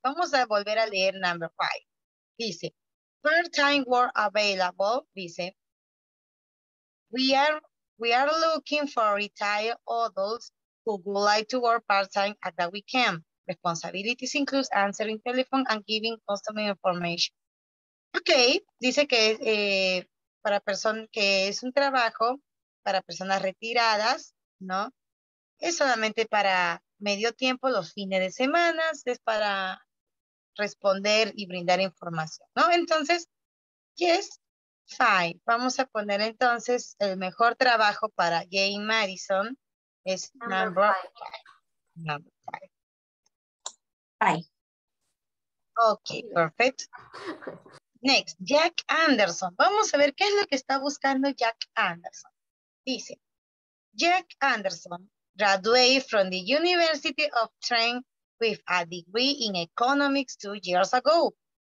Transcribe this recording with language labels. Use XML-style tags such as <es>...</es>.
<es>Vamos a volver a leer</es> <en>number five.</en> <es>Dice,</es> <en>part-time work available,</en> <es>dice,</es> <en>we are looking for retired adults who would like to work part-time at the weekend. Responsibilities include answering telephone and giving customer information.</en> <es>Okay, dice que para personas que es un trabajo para personas retiradas, ¿no? Es solamente para medio tiempo, los fines de semana, es para responder y brindar información, ¿no? Entonces,</es> <en>yes, fine.</en> <es>Vamos a poner entonces el mejor trabajo para Jane Madison. Es</es> <en>number five.</en> <es>Ok, perfecto.</es> <en>Next,</en> <es>Jack Anderson. Vamos a ver qué es lo que está buscando Jack Anderson. Dice,</es> <en>Jack Anderson graduated from the University of Trent with a degree in economics 2 years ago.</en>